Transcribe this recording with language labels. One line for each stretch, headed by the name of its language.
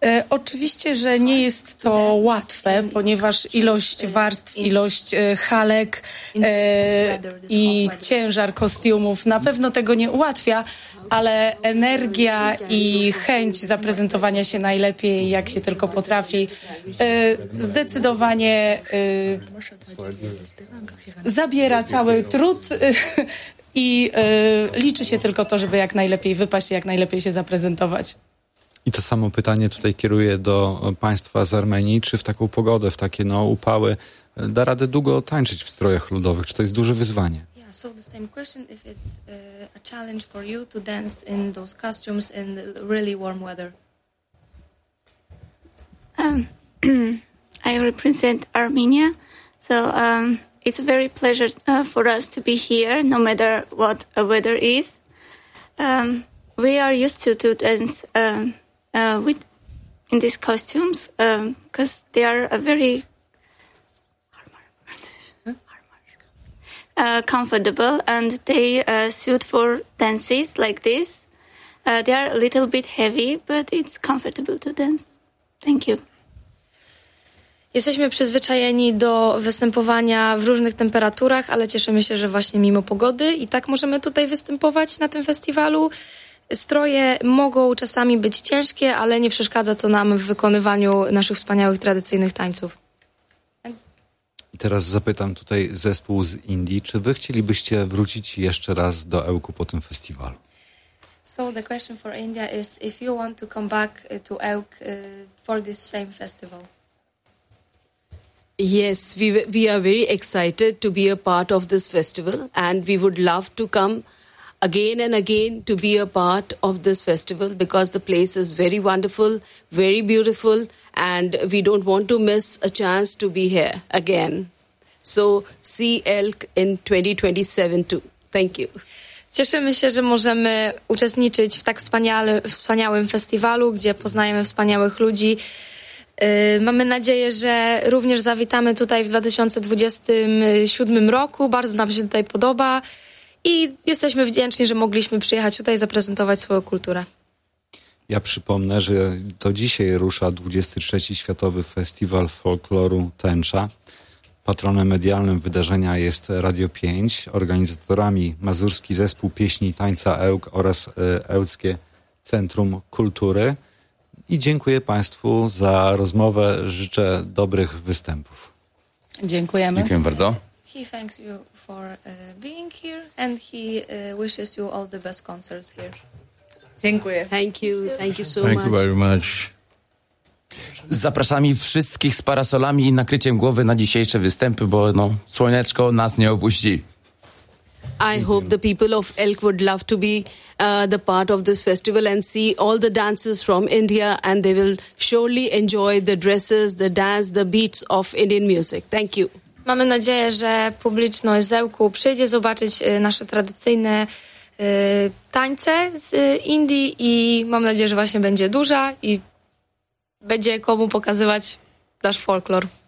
Polish: Oczywiście, że nie jest to łatwe, ponieważ ilość warstw, ilość halek i ciężar kostiumów na pewno tego nie ułatwia, ale energia i chęć zaprezentowania się najlepiej, jak się tylko potrafi, zdecydowanie zabiera cały trud i liczy się tylko to, żeby jak najlepiej wypaść i jak najlepiej się zaprezentować. I to samo pytanie tutaj kieruję do państwa z Armenii. Czy w taką pogodę, w takie no upały, da radę długo tańczyć w strojach ludowych? Czy to jest duże wyzwanie?
English: Yeah, so the same question, if it's a challenge for you to dance in those costumes in really warm weather. I represent Armenia. So it's a very pleasure for us to be here, no matter what the weather is. We are used to dance with in these costumes because they are a very comfortable, and they suit for dances like this. They are a little bit heavy, but it's comfortable to dance. Thank you.
Polish: Jesteśmy przyzwyczajeni do występowania w różnych temperaturach, ale cieszymy się, że właśnie mimo pogody i tak możemy tutaj występować na tym festiwalu. Stroje mogą czasami być ciężkie, ale nie przeszkadza to nam w wykonywaniu naszych wspaniałych tradycyjnych tańców. Teraz zapytam tutaj zespół z Indii, czy wy chcielibyście wrócić jeszcze raz do Ełku po tym festiwalu?
English: So the question for India is if you want to come back to Ełk for this same festival. Yes, we are very excited to be a part of this festival and we would love to come again and again to be a part of this festival because the place is very wonderful, very beautiful and we don't want to miss a chance to be here again. So see Elk in 2027 too. Thank you.
Polish: Cieszymy się, że możemy uczestniczyć w tak wspaniałym festiwalu, gdzie poznajemy wspaniałych ludzi. Mamy nadzieję, że również zawitamy tutaj w 2027 roku. Bardzo nam się tutaj podoba i jesteśmy wdzięczni, że mogliśmy przyjechać tutaj i zaprezentować swoją kulturę. Ja przypomnę, że to dzisiaj rusza 23. Światowy Festiwal Folkloru Tęcza. Patronem medialnym wydarzenia jest Radio 5. Organizatorami Mazurski Zespół Pieśni i Tańca Ełk oraz Ełckie Centrum Kultury. I dziękuję Państwu za rozmowę. Życzę dobrych występów. Dziękujemy. Dziękujemy bardzo.
English: He thanks you for being here and he wishes you all the best concerts here.
Polish: Dziękuję.
English: Thank you so much.
Polish: Zapraszamy wszystkich z parasolami i nakryciem głowy na dzisiejsze występy, bo no, słoneczko nas nie opuści.
English: I hope the people of Elk would love to be the part of this festival and see all the dances from India and they will surely enjoy the dresses, the dance, the beats of Indian music. Thank you.
Polish: Mamy nadzieję, że publiczność z Ełku przyjdzie zobaczyć nasze tradycyjne tańce z Indii i mam nadzieję, że właśnie będzie duża i będzie komu pokazywać nasz folklor.